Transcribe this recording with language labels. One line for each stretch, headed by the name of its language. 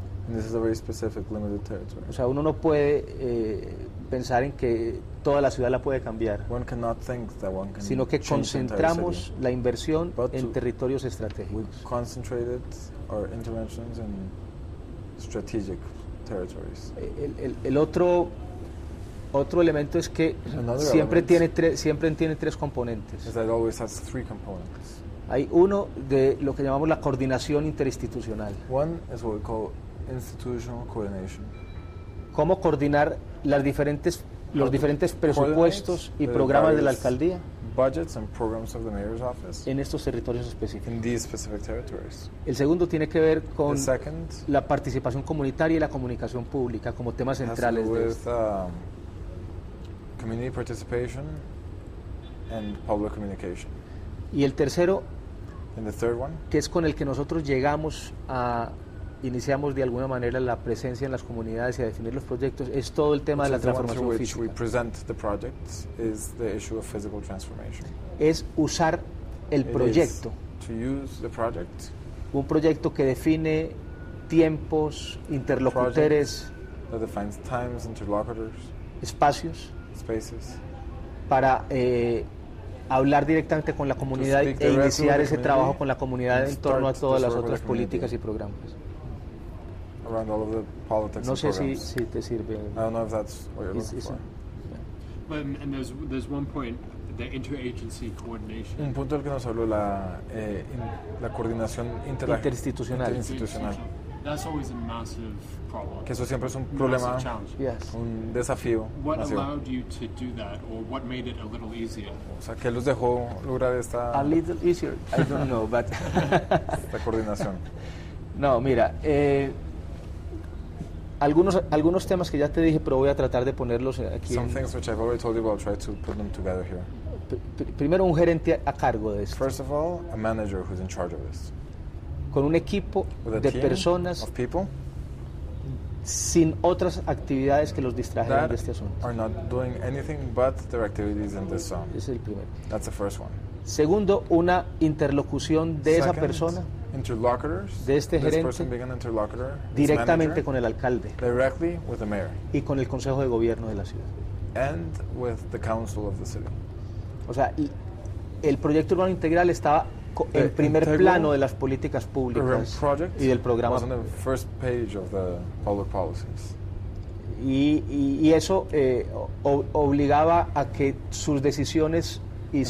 English: And this is a very specific, limited territory.
Spanish: O sea, uno no puede pensar en que toda la ciudad la puede cambiar.
English: One cannot think that one can.
Spanish: Sino que concentramos la inversión en territorios estratégicos.
English: We concentrated our interventions in strategic territories.
Spanish: El otro elemento es que siempre tiene tres componentes.
English: Is that it always has three components.
Spanish: Hay uno de lo que llamamos la coordinación interinstitucional.
English: One is what we call institutional coordination.
Spanish: ¿Cómo coordinar los diferentes presupuestos y programas de la alcaldía?
English: Budgets and programs of the mayor's office.
Spanish: En estos territorios específicos.
English: In these specific territories.
Spanish: El segundo tiene que ver con
English: the second,
Spanish: la participación comunitaria y la comunicación pública como temas centrales.
English: Has to do with community participation and public communication.
Spanish: Y el tercero,
English: and the third one,
Spanish: que es con el que nosotros llegamos a iniciamos de alguna manera la presencia en las comunidades y a definir los proyectos, es todo el tema
English: which
Spanish: de la transformación
English: the
Spanish: física.
English: We present the project is the issue of physical transformation.
Spanish: Es usar el
English: it
Spanish: proyecto.
English: To use the project,
Spanish: un proyecto que define tiempos, interlocutores,
English: that defines times, interlocutors,
Spanish: espacios,
English: spaces,
Spanish: para hablar directamente con la comunidad e iniciar ese trabajo con la comunidad en torno a todas las otras políticas y programas.
English: Around all of the politics
Spanish: no
English: and programs.
Spanish: Si te sirve.
English: I don't know if that's what you're looking for. Yeah. But and there's one point, the interagency coordination.
Spanish: Un punto del que nos habló la la coordinación interinstitucional. Interinstitucional.
English: That's always a massive problem.
Spanish: Que eso siempre es un problema.
English: Yes.
Spanish: Un desafío.
English: What
Spanish: masivo.
English: Allowed you to do that, or what made it a little easier?
Spanish: O sea, ¿qué los dejó lograr esta?
English: A little easier. I don't know, but.
Spanish: La coordinación. No, mira. Algunos temas que ya te dije, pero voy a tratar de ponerlos aquí.
English: Some things which I've already told you, but I'll try to put them together here.
Spanish: Primero, un gerente a cargo de esto.
English: First of all, a manager who's in charge of this.
Spanish: Con un equipo de personas
English: of people
Spanish: sin otras actividades que los distrajeran de este asunto.
English: Are not doing anything but their activities in this zone.
Spanish: Ese es el primero.
English: That's the first one.
Spanish: Segundo, una interlocución de
English: second,
Spanish: esa persona.
English: Interlocutors,
Spanish: de este gerente,
English: this person being an interlocutor,
Spanish: directamente
English: manager,
Spanish: con el alcalde,
English: directly with the mayor,
Spanish: y con el consejo de gobierno de la ciudad,
English: and with the council of the city.
Spanish: O sea, el proyecto urbano integral estaba en primer plano de las políticas públicas y del programa.
English: Was on the first page of the public policies.
Spanish: Y eso obligaba a que sus decisiones y